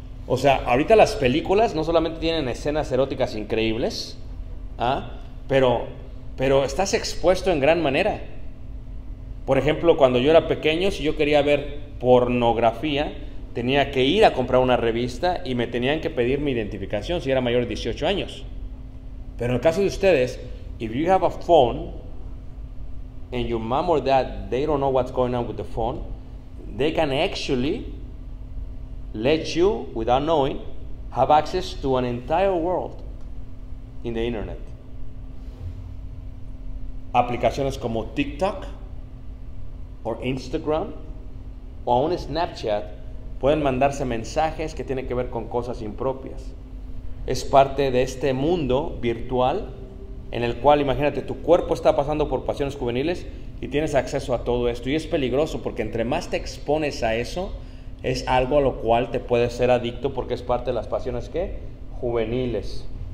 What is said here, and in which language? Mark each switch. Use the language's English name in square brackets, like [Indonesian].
[Spanish] O sea, ahorita las películas no solamente tienen escenas eróticas increíbles, ¿ah? Pero estás expuesto en gran manera. Por ejemplo, cuando yo era pequeño, si yo quería ver pornografía, tenía que ir a comprar una revista y me tenían que pedir mi identificación si era mayor de 18 años. Pero en el caso de ustedes, [English] if you have a phone and your mom or dad, they don't know what's going on with the phone, they can actually let you, without knowing, have access to an entire world in the internet. [Spanish] Aplicaciones como TikTok o Instagram o aún Snapchat pueden mandarse mensajes que tienen que ver con cosas impropias. Es parte de este mundo virtual en el cual, imagínate, tu cuerpo está pasando por pasiones juveniles y tienes acceso a todo esto. Y es peligroso porque entre más te expones a eso, es algo a lo cual te puedes ser adicto porque es parte de las pasiones ¿qué? Juveniles.